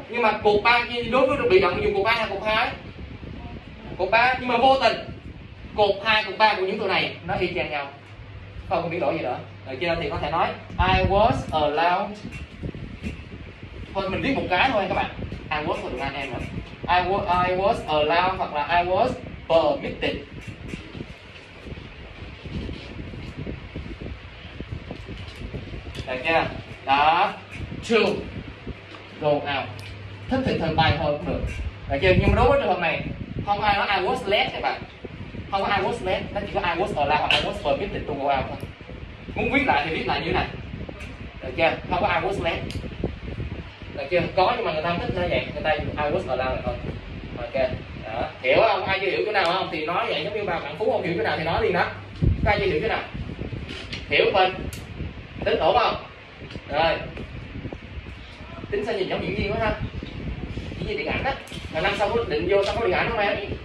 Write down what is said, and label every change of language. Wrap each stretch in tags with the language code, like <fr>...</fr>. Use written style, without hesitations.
<vi>Nhưng mà cuộc 3 kia đối với bị động dùng cuộc 3 hay cuộc 2? Cuộc 3, nhưng mà vô tình cuộc 2, cuộc 3 của những tụi này nó y chang nhau. Không biết đổi gì nữa. Được chưa? Thì có thể nói</vi> <en>I was allowed.</en> <vi>Thôi mình biết một cái thôi các bạn.</vi> <en>I was for the man and I was allowed</en> <vi>hoặc là</vi> <en>I was permitted.</en> <vi>Được chưa? Đó. To go out. Thích thì thần tài thôi cũng được. Được chưa? Nhưng mà đối với trường hợp này không ai nói</vi> <en>I was let</en> <vi>các bạn. Không có</vi> <en>I was let,</en> <vi>nó chỉ có</vi> <en>I was allowed</en> <vi>hoặc</vi> <en>I was permitted to go out</en> <vi>thôi. Muốn viết lại thì viết lại như thế này. Được chưa? Không có</vi> <en>I was let.</en> <vi>Được chưa? Có nhưng mà người ta không thích nó vậy, người ta</vi> <en>I was allowed</en> <vi>là thôi. Ok. Đó. Hiểu không? Ai chưa hiểu chỗ nào không? Thì nói vậy giống như bà bạn Phú không hiểu chỗ nào thì nói đi đó. Các ai chưa hiểu chỗ nào? Hiểu mình tính ổn không? Rồi tính sao nhìn giống diễn viên quá ha, diễn viên điện ảnh á, là năm sau có định vô sao có điện ảnh không em?</vi>